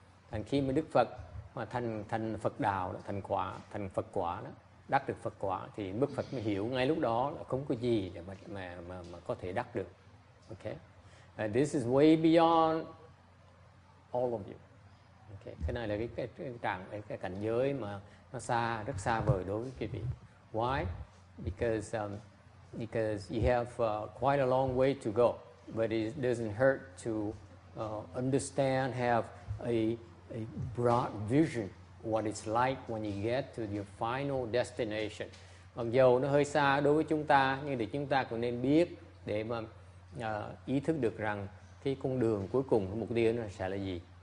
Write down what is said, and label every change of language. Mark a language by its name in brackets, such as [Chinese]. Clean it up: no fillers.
[Vietnamese] Thành khi mà Đức Phật mà thành Phật đạo đó, thành Phật quả đó, đắc được Phật quả thì Đức Phật mới hiểu ngay lúc đó là không có gì để mà có thể đắc được. [English] Okay? And this is way beyond all of you. Okay? [Vietnamese] Cái này là cái cảnh giới mà nó xa, rất xa vời đối với quý vị. [English] Why? Because you have quite a long way to go, but it doesn't hurt to understand, have a broad vision what it's like when you get to your final destination. [Vietnamese] Mặc dù nó hơi xa đối với chúng ta, nhưng để chúng ta cũng nên biết để mà ý thức được rằng cái con đường cuối cùng, mục tiêu nó sẽ là gì.